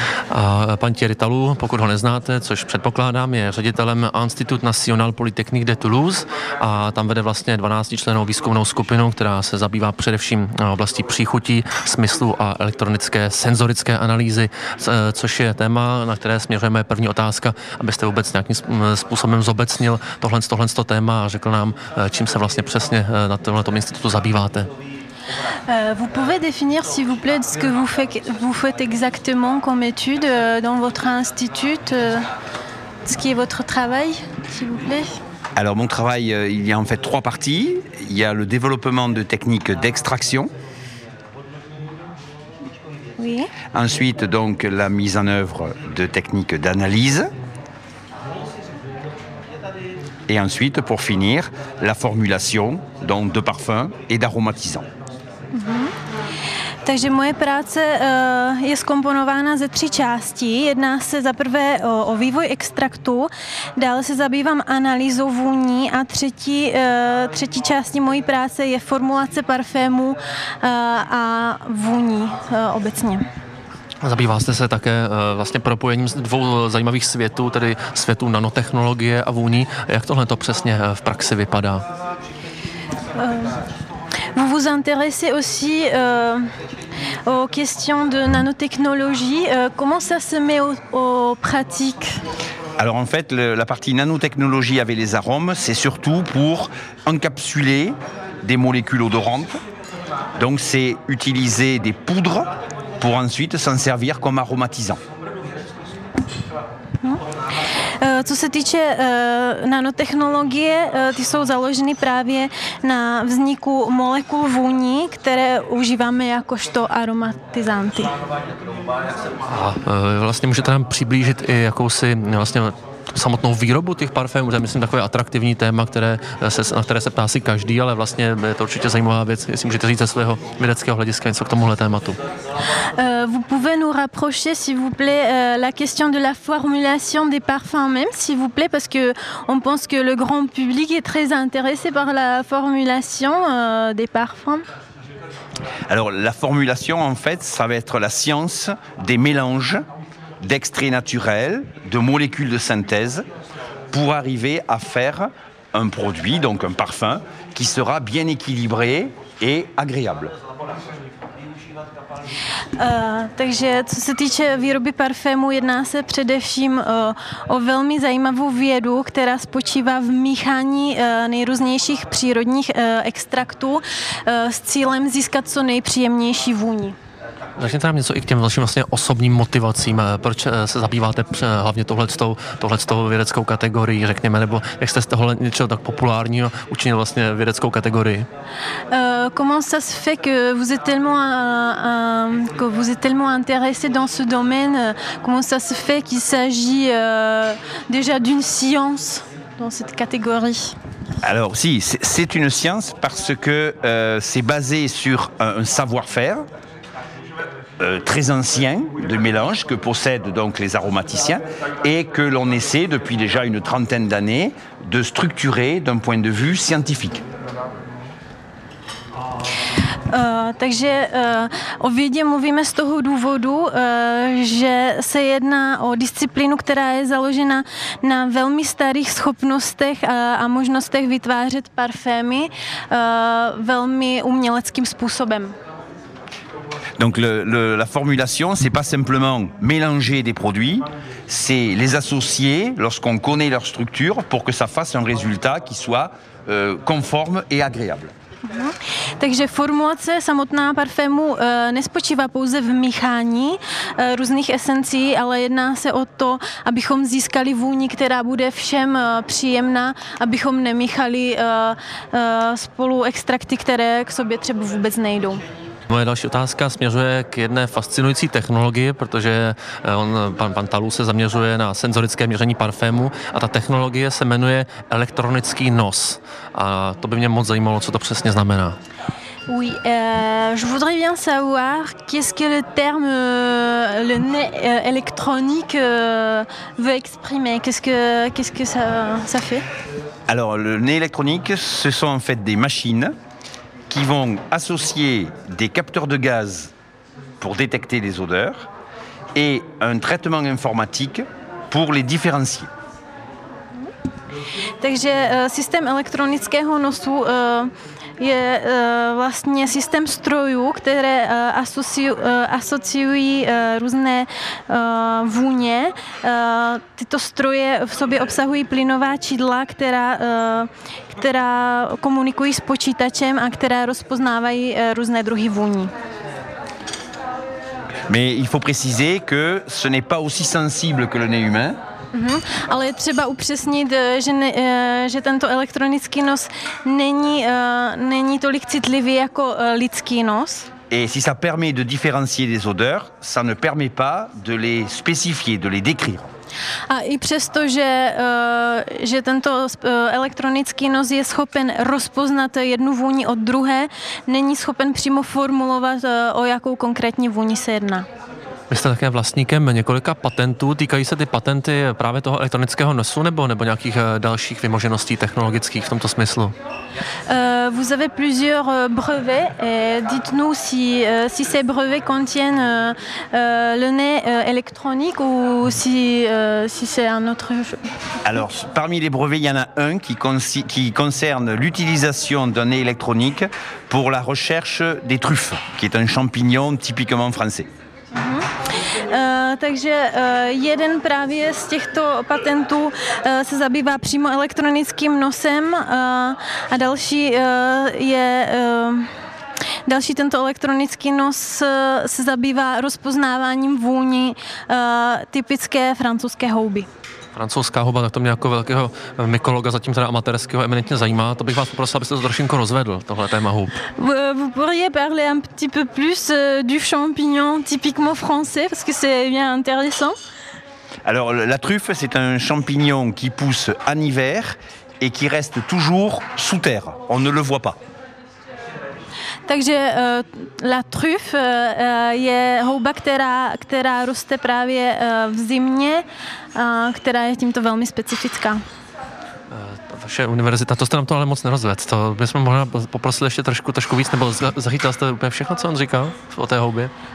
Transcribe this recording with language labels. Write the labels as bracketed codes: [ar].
[cs] A pan Thierry Talou, pokud ho neznáte, což předpokládám, je ředitelem Institut National Polytechnique de Toulouse a tam vede vlastně 12členou výzkumnou skupinu, která se zabývá především oblastí příchutí, smyslu a elektronické senzorické analýzy, což je téma, na které směřujeme první otázka, abyste vůbec nějakým způsobem zobecnil tohle téma a řekl nám, čím se vlastně přesně na tomto institutu zabýváte. [fr] Vous pouvez définir, s'il vous plaît, ce que vous faites exactement comme étude dans votre institut, ce qui est votre travail, s'il vous plaît. Alors mon travail, il y a en fait trois parties. Il y a le développement de techniques d'extraction. Oui. Ensuite, donc, la mise en œuvre de techniques d'analyse. Et ensuite, pour finir, la formulation donc, de parfums et d'aromatisants. [cs] Takže moje práce je zkomponována ze tří částí. Jedná se za prvé o vývoj extraktu, dále se zabývám analýzou vůní a třetí částí mojí práce je formulace parfému a vůní obecně. Zabýváte se také vlastně propojením dvou zajímavých světů, tedy světů nanotechnologie a vůní. Jak tohle to přesně v praxi vypadá? [fr] Vous vous intéressez aussi aux questions de nanotechnologie. Comment ça se met aux pratiques? Alors en fait, la partie nanotechnologie avec les arômes, c'est surtout pour encapsuler des molécules odorantes. Donc c'est utiliser des poudres pour ensuite s'en servir comme aromatisant. [cs] Co se týče nanotechnologie, ty jsou založeny právě na vzniku molekul vůní, které užíváme jakožto aromatizanty. A vlastně můžete nám přiblížit i jakousi vlastně samotnou výrobu těch parfémů, to je myslím takové atraktivní téma, na které se ptá si každý, ale vlastně je to určitě zajímavá věc, jestli můžete říct ze svého vědeckého hlediska něco k tomuhle tématu. [fr] Vous pouvez nous rapprocher, s'il vous plaît, la question de la formulation des parfums même, s'il vous plaît, parce que on pense que le grand public est très intéressé par la formulation des parfums. Alors la formulation, en fait, ça va être la science des mélanges d'extraits naturels, de molécules de synthèse, pour arriver à faire un produit, donc un parfum, qui sera bien équilibré et agréable. [cs] Takže co se týče výroby parfému, jedná se především o velmi zajímavou vědu, která spočívá v míchání nejrůznějších přírodních extraktů s cílem získat co nejpříjemnější vůni. Začněte nám něco i k těm vašim vlastně osobním motivacím. Proč se zabýváte hlavně tohletou vědeckou kategorií, řekněme, nebo jak jste z toho něčeho tak populárního učinil vlastně vědeckou kategorii? [fr] Comment ça se fait que vous êtes tellement que vous êtes tellement intéressé dans ce domaine? Comment ça se fait qu'il s'agit déjà d'une science dans cette catégorie? Alors si, c'est une science parce que c'est basé sur un savoir-faire très ancien de mélange que possèdent donc les aromaticiens et que l'on essaie depuis déjà une trentaine d'années de structurer d'un point de vue scientifique. [cs] Takže o vědě mluvíme z toho důvodu, že se jedná o disciplínu, která je založena na velmi starých schopnostech a možnostech vytvářet parfémy velmi uměleckým způsobem. [fr] Donc la formulation, c'est pas simplement mélanger des produits, c'est les associer lorsqu'on connaît leur structure pour que ça fasse un résultat qui soit conforme et agréable. [cs] Takže formulace samotná parfému nespočívá pouze v míchání různých esencí, ale jedná se o to, abychom získali vůni, která bude všem příjemná, abychom nemíchali spolu extrakty, které k sobě třeba vůbec nejdou. Moje další otázka směřuje k jedné fascinující technologii, protože pan Talou se zaměřuje na senzorické měření parfému a ta technologie se jmenuje elektronický nos. A to by mě moc zajímalo, co to přesně znamená. [fr] Oui, je voudrais bien savoir qu'est-ce que le terme le nez électronique veut exprimer. Qu'est-ce que ça fait? Alors, le nez électronique, ce sont en fait des machines qui vont associer des capteurs de gaz pour détecter les odeurs et un traitement informatique pour les différencier. [cs] Takže systém elektronického nosu je vlastně systém strojů, které asociují různé vůně. Tyto stroje v sobě obsahují plynová čidla, která komunikují s počítačem a která rozpoznávají různé druhy vůní. [fr] Mais il faut préciser que ce n'est pas aussi sensible que le nez humain. Mm-hmm. [cs] Ale je třeba upřesnit, že tento elektronický nos není tolik citlivý jako lidský nos. [fr] Et si ça permet de différencier les odeurs, ça ne permet pas de les spécifier, de les décrire. [cs] A i přesto, že tento elektronický nos je schopen rozpoznat jednu vůni od druhé, není schopen přímo formulovat, o jakou konkrétní vůni se jedná. Vy jste také vlastníkem několika patentů. Týkají se ty patenty právě toho elektronického nosu nebo nějakých dalších vymožeností technologických v tomto smyslu? [fr] Vous avez plusieurs brevets. Dites-nous si ces brevets contiennent le nez électronique ou si c'est un autre chose. Alors, parmi les brevets, il y en a un qui concerne l'utilisation d'un nez électronique pour la recherche des truffes, qui est un champignon typiquement français. [cs] Takže jeden právě z těchto patentů se zabývá přímo elektronickým nosem a další je další tento elektronický nos se zabývá rozpoznáváním vůni typické francouzské houby. Francouzská houba, tak to mě jako velkého mykologa, zatím teda amatérského, eminentně zajímá. To bych vás poprosil, abyste to trošinko rozvedl, tohle téma houb. [fr] Vous pourriez parler un petit peu plus du champignon typiquement français, parce que c'est bien intéressant. Alors, la truffe, c'est un champignon qui pousse en hiver et qui reste toujours sous terre. On ne le voit pas. [cs] Takže la truffe je houba, která roste právě v zimě, která je tímto velmi specifická. Vaše univerzita, to jste nám to ale moc nerozvedl. To bychom mohli poprosit ještě trošku víc, nebo zachytil jste úplně všechno, co on říkal o té houbě?